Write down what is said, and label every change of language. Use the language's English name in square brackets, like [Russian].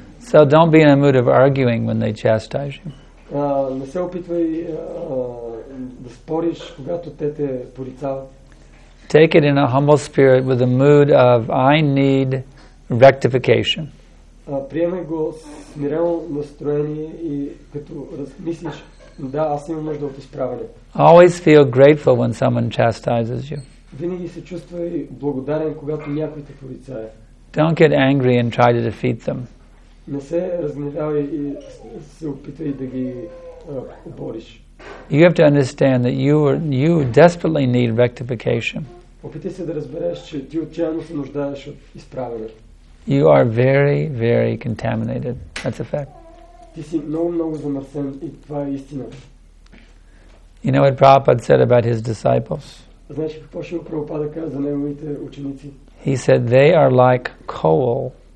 [English] So don't be in a mood of arguing when they chastise you. [Bulgarian] Не се опитвай да спориш, когато те те порицават. [English] Take it in a humble spirit with a mood of I need rectification. [Bulgarian] Приемай го с смирено настроение и като размислиш, да, аз имам нужда от изправяне. [English] Always feel grateful when someone chastises you. [Bulgarian] Винаги се чувствай благодарен, когато някой те порицае. [English] Don't get angry and try to defeat them. [Bulgarian] Не се разгневявай и се опитай да ги обориш. [English] You have to understand that you desperately need rectification. [Bulgarian] Опитай се да разбереш, че ти отчаяно се нуждаеш от изправяне. [English] You are very, very contaminated. That's a fact. [Bulgarian] Ти си много, много замърсен и това е истина. [English] You know what Prabhupada said about his disciples? [Bulgarian] Знаеш какво Шрила Прабхупада каза за неговите ученици? [English] He said they are like coal.